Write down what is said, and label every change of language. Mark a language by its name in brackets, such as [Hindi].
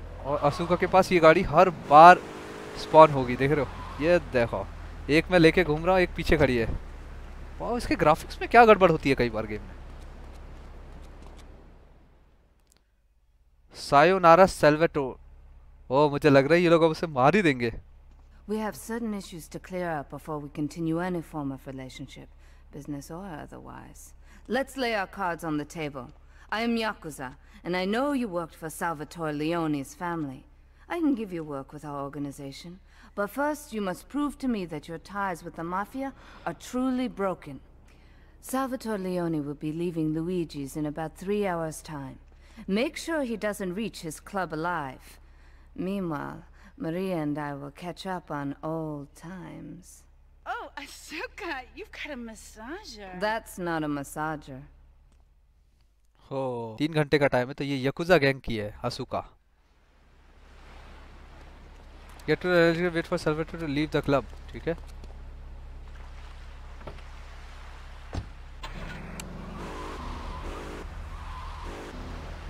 [Hindi] और असुका के पास ये गाड़ी हर बार स्पॉन होगी, देख रहे हो। ये देखो, एक मैं लेके घूम रहा हूँ, एक पीछे खड़ी है। वाह, इसके ग्राफिक्स में क्या गड़बड़ होती है कई बार गेम में। सायोनारा सेल्वेटो, ओ मुझे लग रहा है ये लोग उसे मार ही देंगे। [English] We have certain issues to clear up before we continue any form of relationship, business or otherwise. Let's lay our cards on the table. I am Yakuza, and I know you worked for Salvatore Leone's family. I can give you work with our organization, but first you must prove to me that your ties with the mafia are truly broken. Salvatore Leone will be leaving Luigi's in about 3 hours' time. Make sure he doesn't reach his club alive. Meanwhile, Maria and I will catch up on old times. Oh, Asuka, you've got a massager. That's not a massager. [Hindi] Oh, 3 hours का time है, तो ये यकुजा gang की है, Asuka. [English] Get to the elevator, wait for Salvatore to leave the club, [Hindi] ठीक है?